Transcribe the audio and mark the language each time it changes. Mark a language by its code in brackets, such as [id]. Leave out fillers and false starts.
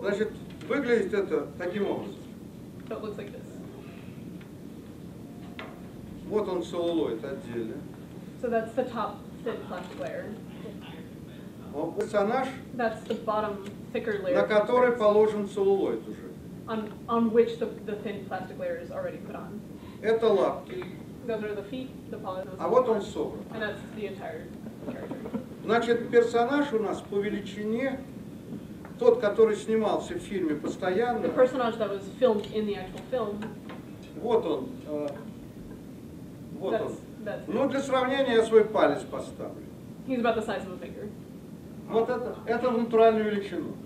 [ru] Значит, выглядит это таким образом. [en] So it looks like this. [ru] Вот он целлулоид отдельно. [en] So that's the top thin flesh layer. [ru] Он персонаж, [en] that's the bottom, thicker layer, [ru] на который положен целлулоид уже. [en] On which the thin plastic layer is already put on. [ru] Это лапки. [en] Those are the feet, the paws. [ru] А вот он собран. [en] And that's the entire character. [ru] Значит, персонаж у нас по величине, тот, который снимался в фильме постоянно. [en] The personage that was filmed in the actual film. [ru] Вот он. Вот [en] that's, [ru] он. [en] That's [ru] ну, для сравнения я свой палец поставлю. [en] He's about the size of a finger. [ru] Вот это натуральную величину.